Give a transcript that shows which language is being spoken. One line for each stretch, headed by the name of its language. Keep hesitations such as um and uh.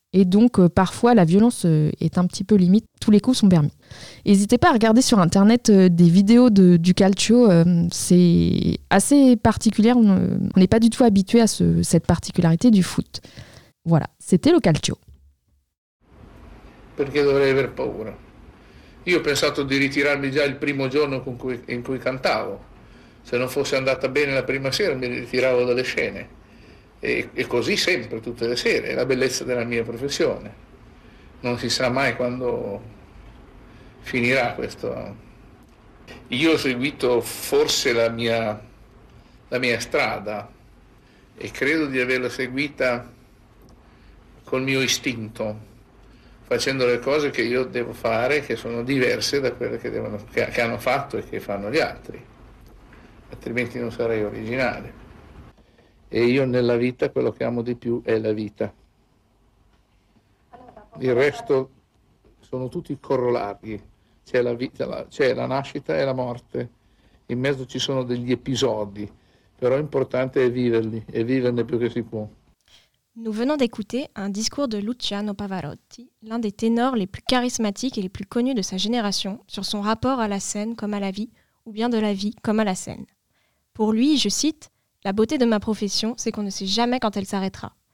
French: Et donc euh, parfois la violence euh, est un petit peu limite, tous les coups sont permis. N'hésitez pas à regarder sur internet euh, des vidéos de- du calcio. euh, c'est assez particulier. On euh, on n'est pas du tout habitué à ce- cette particularité du foot. Voilà, c'était le calcio.
Italian: perché dovrei aver paura. Io ho pensato di ritirarmi già il primo giorno con cui- in cui cantavo. Se non fosse andata bene la prima sera mi ritiravo dalle scene. E, e così sempre, tutte le sere, è la bellezza della mia professione. non si sa mai quando finirà questo. Io ho seguito forse la mia, la mia strada e credo di averla seguita col mio istinto, facendo le cose che io devo fare che sono diverse da quelle che, devono- che- che hanno fatto e che fanno gli altri, altrimenti non sarei originale. E io nella vita quello che amo di più è la vita. Il resto sono tutti corollari. C'è la, vita, la- c'è la nascita e la morte. In mezzo ci sono degli episodi, però l'importante è viverli e viverne più che si può.
French: Nous venons d'écouter un discours de Luciano Pavarotti, l'un des ténors les plus charismatiques et les plus connus de sa génération, sur son rapport à la scène comme à la vie, ou bien de la vie comme à la scène. Pour lui, je cite, La beauté de ma profession, c'est qu'on ne sait jamais quand elle s'arrêtera.